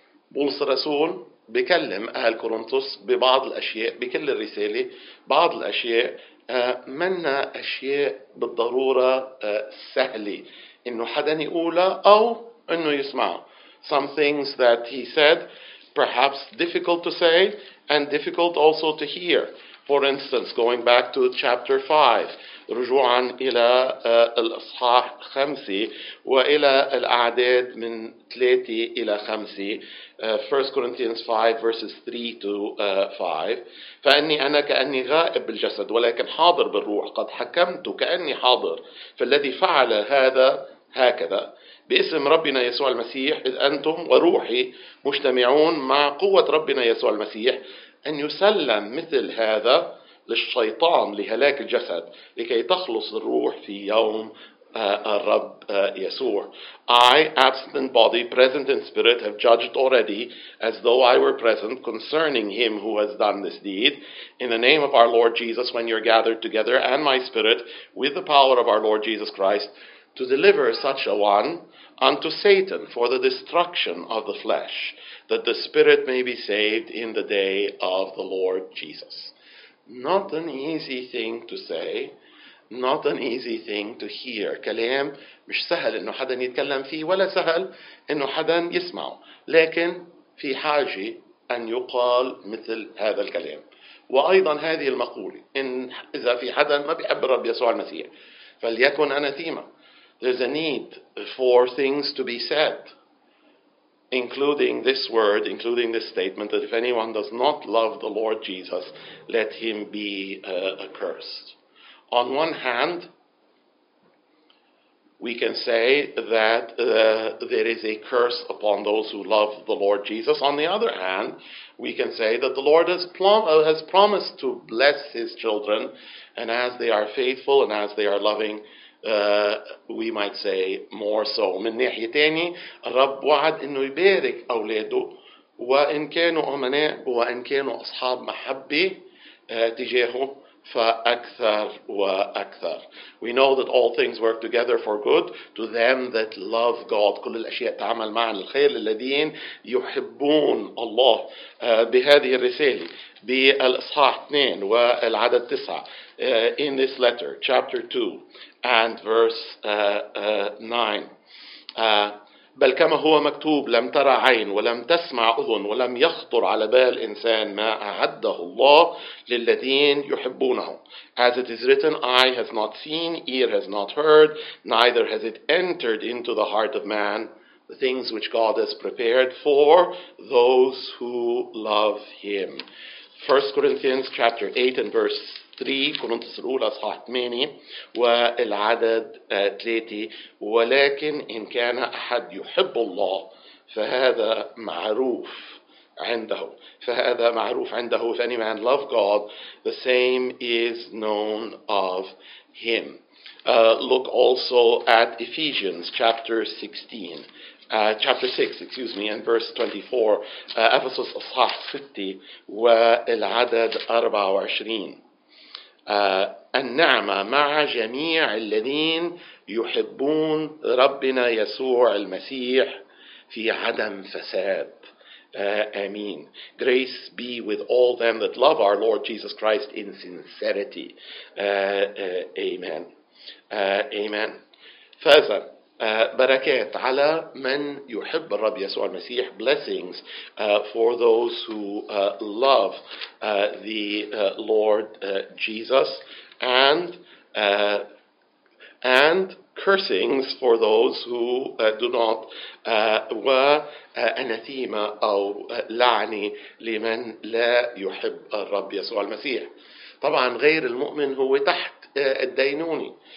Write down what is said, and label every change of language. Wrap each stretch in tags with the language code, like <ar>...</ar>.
<ar>بولس الرسول بيكلم أهل كورنثوس ببعض الأشياء بكل الرسالة بعض الأشياء منها أشياء بالضرورة سهلة إنه حدا يقولها أو إنه يسمعها.</ar> <en>Some things that he said perhaps difficult to say and difficult also to hear. For instance, going back to chapter 5,</en> <ar>رجوعا إلى الإصحاح 5 وإلى الأعداد من 3 إلى 5,</ar> <en>1 Corinthians 5 verses 3 to 5,</en> <ar>فأني أنا كأني غائب بالجسد ولكن حاضر بالروح قد حكمت كأني حاضر فالذي فعل هذا هكذا باسم ربنا يسوع المسيح إذ أنتم وروحي مجتمعون مع قوة ربنا يسوع المسيح أن يسلم مثل هذا للشيطان لهلاك الجسد لكي تخلص الروح في يوم الرب يسوع.</ar> <en>I, absent in body, present in spirit, have judged already, as though I were present, concerning him who has done this deed, in the name of our Lord Jesus, when you're gathered together, and my spirit, with the power of our Lord Jesus Christ, to deliver such a one unto Satan for the destruction of the flesh, that the spirit may be saved in the day of the Lord Jesus. Not an easy thing to say, not an easy thing to hear.</en> <ar>كلام مش سهل إنه حدا يتكلم فيه ولا سهل إنه حدا يسمعه. لكن في حاجة أن يقال مثل هذا الكلام. وأيضا هذه المقولة إن إذا في حدا ما بيحب الرب يسوع المسيح فليكن أناثيما.</ar> <en>There's a need for things to be said, including this word, including this statement, that if anyone does not love the Lord Jesus, let him be accursed. On one hand, we can say that there is a curse upon those who love the Lord Jesus. On the other hand, we can say that the Lord has promised to bless his children, and as they are faithful and as they are loving, we might say more so.</en> <ar>من ناحية تانية الرب وعد إنه يبارك أولاده وإن كانوا أمناء وإن كانوا أصحاب محبة تجاهه فأكثر وأكثر.</ar> <en>We know that all things work together for good to them that love God.</en> <ar>كل الأشياء تعمل معا للخير للذين يحبون الله. بهذه الرسالة بالإصحاح 2 والعدد 9.</ar> <en>In this letter, chapter 2 and verse 9.</en> <ar>بل كما هو مكتوب لم ترى عين ولم تسمع أذن ولم يخطر على بال إنسان ما أعده الله للذين يحبونه.</ar> <en>As it is written, eye has not seen, ear has not heard, neither has it entered into the heart of man, the things which God has prepared for those who love him. 1 Corinthians chapter 8 and verse 3</en> <ar>كورنثوس الأولى صحيح 8 والعدد 3 ولكن إن كان أحد يحب الله فهذا معروف عنده فهذا معروف عنده.</ar> <en>If any man love God, the same is known of him. Look also at Ephesians chapter 16. Chapter 6, excuse me, and verse 24. Ephesus</en> <ar>أصحاح 6 والعدد 24. النعمة مع جميع الذين يحبون ربنا يسوع المسيح في عدم فساد.</ar> <en>Amen. Grace be with all them that love our Lord Jesus Christ in sincerity. Amen. Amen.</en> <ar>فازا بركات على من يحب الرب يسوع المسيح.</ar> <en>Blessings for those who love the Lord Jesus, and cursings for those who do not.</en> <ar>وأنثيمة أو لعنة لمن لا يحب الرب يسوع المسيح. طبعا غير المؤمن هو تحت الدينونة.</ar>